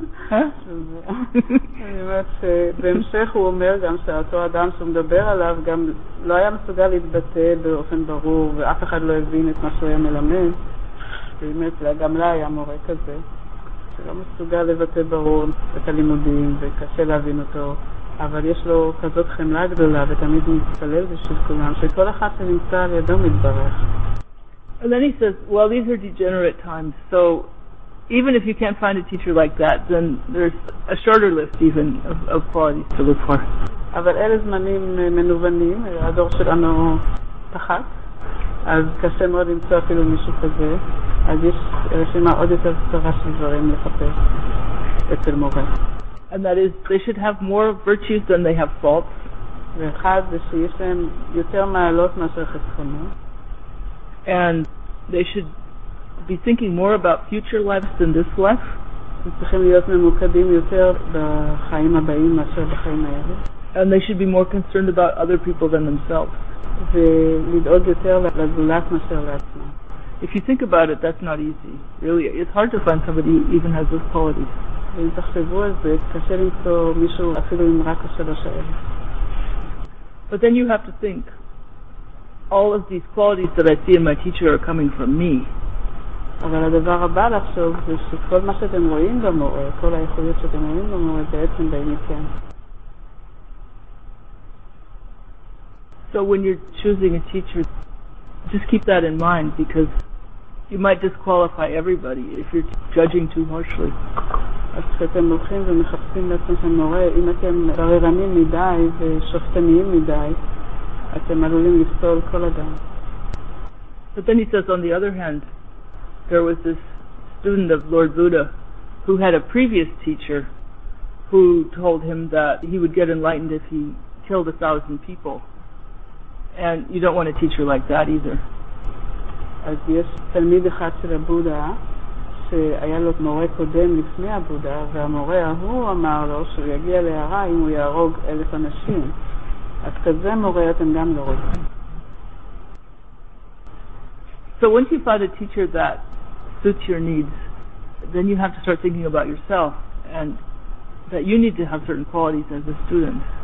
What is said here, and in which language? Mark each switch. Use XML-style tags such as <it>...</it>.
<he>אני אומרת שבהמשך הוא אומר גם שאותו אדם שמדבר עליו גם לא היה מסוגל להתבטא באופן ברור ואף אחד לא הבין את מה שהוא היה מלמד. באמת גם לה היה מורה כזה שלא מסוגל לבטא ברור את הלימודים וקשה להבין אותו, אבל יש לו כזאת חמלה גדולה ותמיד הוא מתפלל בשביל כולם שכל אחד שנמצא על ידו מתברך.</he> <en>And then he says, well, these are degenerate times, so even if you can't find a teacher like that, then there's a shorter list even of qualities to look for.</en> <he>אבל אלה זמנים מנוונים, הדור שלנו פחת. אז קשה מאוד למצוא אפילו מישהו כזה, אז יש רשימה עוד יותר קצרה של דברים לחפש אצל מורה.</he> <en>And that is, they should have more virtues than they have faults.</en> <he>ואחד זה שיש להם יותר מעלות מאשר חסכונות.</he> <en>And they should be thinking more about future lives than this life.</en> <he>הם צריכים להיות ממוקדים יותר בחיים הבאים מאשר בחיים האלה.</he> <en>And they should be more concerned about other people than themselves.</en> <he>ולדאוג יותר לזולת מאשר לעצמם.</he> <en>If you think about it, that's not easy. Really, it's hard to find somebody who even has those qualities.</en> <he>ואם תחשבו על זה, קשה למצוא מישהו אפילו עם רק השלוש האלה.</he> <en>But then you have to think, all of these qualities that I see in my teacher are coming from me.</en> <he>אבל הדבר הבא לחשוב זה שכל מה שאתם רואים במורה, כל היכולות שאתם רואים במורה, בעצם באים מכם.</he> <en>So when you're choosing a teacher, just keep that in mind, because you might disqualify everybody if you're judging too harshly.</en> <he>אז כשאתם הולכים ומחפשים לעצמכם מורה, אם אתם בררנים מדי ושופטניים מדי, אתם עלולים לפסול כל אדם.</he> <en>But then he says, on the other hand, there was this student of Lord Buddha who had a previous teacher who told him that he would get enlightened if he killed 1,000 people. And you don't want a teacher like that either.</en> <he>אז יש תלמיד אחד של הבודה שהיה לו מורה קודם לפני הבודה, והמורה ההוא אמר לו שהוא יגיע להערה אם הוא יהרוג 1,000 אנשים. אז כזה מורה אתם גם לא רוצים.</he> <en>So once you find a teacher that suits your needs, then you have to start thinking about yourself and that you need to have certain qualities as a student.</en>